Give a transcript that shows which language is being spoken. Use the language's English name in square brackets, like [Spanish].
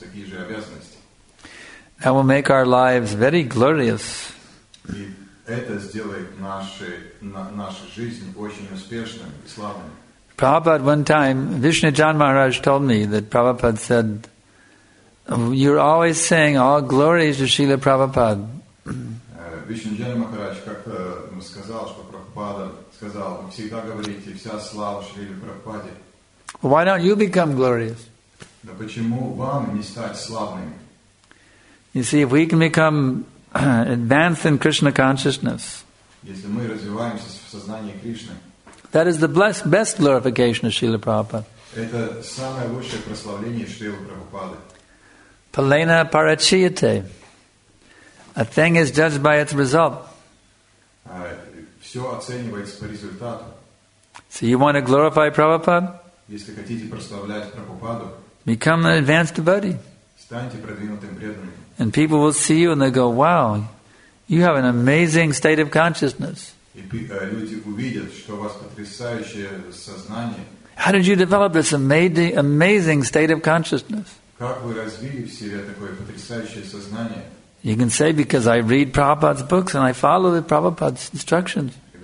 [English] That will make our lives very glorious. Prabhupada one time, Vishnujan Maharaj told me that Prabhupada said, you're always saying all glories to Srila Prabhupada. [Russian] Вишнуджана Махарадж как-то сказал, что Прабхупада сказал, вы всегда говорите, вся слава Шриле Прабхупаде. [English] Why don't you become glorious? [Russian] Да почему вам не стать славными? [English] You see, if we can become advanced in Krishna consciousness, [Russian] если мы развиваемся в сознании Кришны, [English] that is the best glorification of Шриле Прабхупаде. [Russian] Это самое лучшее прославление Шриле Прабхупаде. [Sanskrit] Palena Parachyate. [English] A thing is judged by its result. [Russian] Все оценивается по результату. [English] So you want to glorify Prabhupada? [Russian] Если хотите прославлять Прабхупаду, [English] become an advanced devotee. [Russian] Станьте продвинутым преданным. [English] And people will see you and they go, wow, you have an amazing state of consciousness. [Russian] Люди увидят, что у вас потрясающее сознание. [English] How did you develop this amazing state of consciousness? [Russian] Как вы развили в себе такое потрясающее сознание? [English] You can say, because I read Prabhupada's books and I follow the Prabhupada's instructions.